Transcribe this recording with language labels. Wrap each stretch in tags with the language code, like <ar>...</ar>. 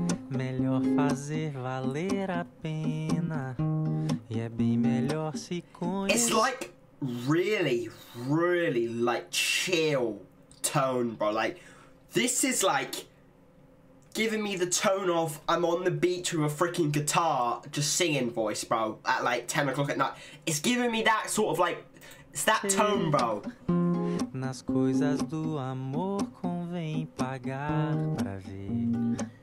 <pt>Melhor fazer valer a pena. E é bem melhor se conhecer.</pt> <en>It's like really, really like chill tone, bro. Like, this is like giving me the tone of I'm on the beach with a freaking guitar just singing voice, bro, at like 10 o'clock at night. It's giving me that sort of like, it's that tone, bro.</en> <pt>Nas coisas do amor convém pagar pra ver.</pt>